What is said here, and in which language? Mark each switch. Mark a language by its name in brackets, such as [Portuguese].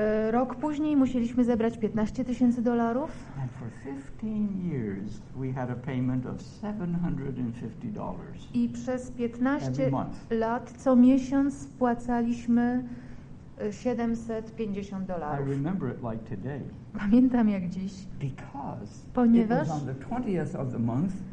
[Polish] Rok później musieliśmy zebrać 15 tysięcy dolarów. [English] And for 15 years we had a payment of $750. [Polish] I przez 15 lat co miesiąc spłacaliśmy $750. [English] I remember it like today. [Polish] Pamiętam jak dziś. [English] Because [Polish] ponieważ [English] it was on the 20th of the month.